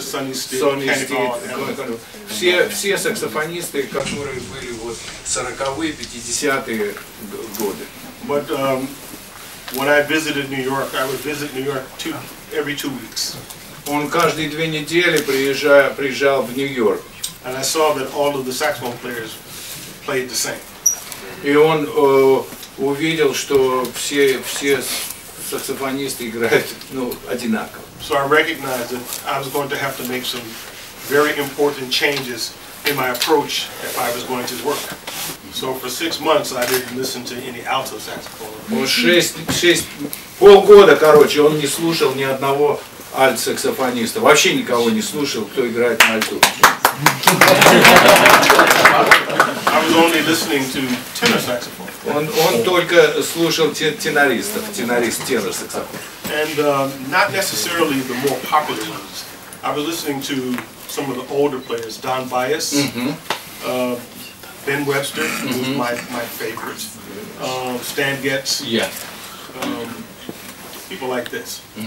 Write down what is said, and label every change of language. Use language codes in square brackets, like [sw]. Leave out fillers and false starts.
[ru] Сонни Стит, Кеннебал, все саксофонисты, которые были вот 40-е, 50-е годы. [en] But when I visited New York, I would visit New York every two weeks. [ru] Он каждые две недели приезжал в Нью-Йорк. [en] And I saw that all of the saxophone players played the same. [ru] И он увидел, что все саксофонисты играют одинаково. [en] So I recognized that I was going to have to make some very important changes in my approach if I was going to work. So for 6 months I didn't listen to any alto saxophone. [ru] Полгода, короче, он не слушал ни одного альт-саксофониста. Вообще никого не слушал, кто играет на альту. [en] I was only listening to tenor saxophone. [ru] Он только слушал тенор саксофон. [en] And not necessarily the more popular ones. I was listening to some of the older players, Don Byas, Ben Webster, who was my favorite, Stan Getz, people like this.